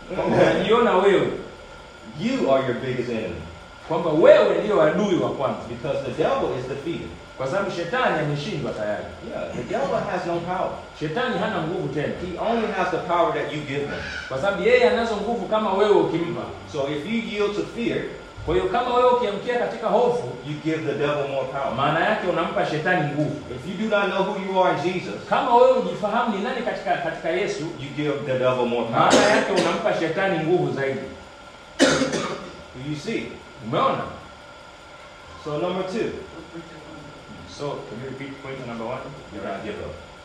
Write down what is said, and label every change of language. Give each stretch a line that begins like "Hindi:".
Swahili: Unajiona wewe.
English: You are your biggest enemy.
Swahili: Kwamba wewe ndio adui wa kwanza.
English: Because the devil is defeated.
Swahili: Kwa sababu shetani ameshindwa tayari.
English: Yeah, the devil has no power.
Swahili: Shetani hana nguvu tena.
English: He only has the power that you give him.
Swahili: Kwa sababu yeye anazo nguvu kama wewe ukimpa.
English: So if you yield to fear,
Swahili: kwa hiyo kama wewe ukiamkia katika hofu,
English: you give the devil more power.
Swahili: Maana yake unampa shetani nguvu.
English: If you do not know who you are in Jesus,
Swahili: kama wewe ujifahamu ni nani katika Yesu,
English: you give the devil more power.
Swahili: Maana yake unampa shetani nguvu zaidi.
English: Do you see?
Swahili: Umeona?
English: So number two. So, can you repeat point number one? Do not give up.